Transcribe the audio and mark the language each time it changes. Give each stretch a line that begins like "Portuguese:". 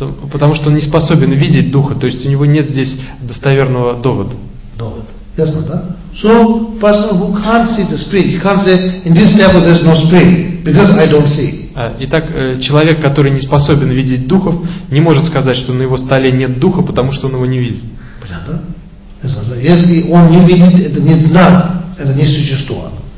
Russian: Потому что он не способен видеть Духа, то есть у него нет здесь достоверного довода. Довод. Ясно, да?
English: So person who can't see the spirit, he can't say in this temple there's no spirit because I don't see.
Russian: Итак, человек, который не способен видеть духов, не может сказать, что на его столе нет духа, потому что он его не видит. Понятно? Ясно, да? Если он не видит, это не знак, это не существо.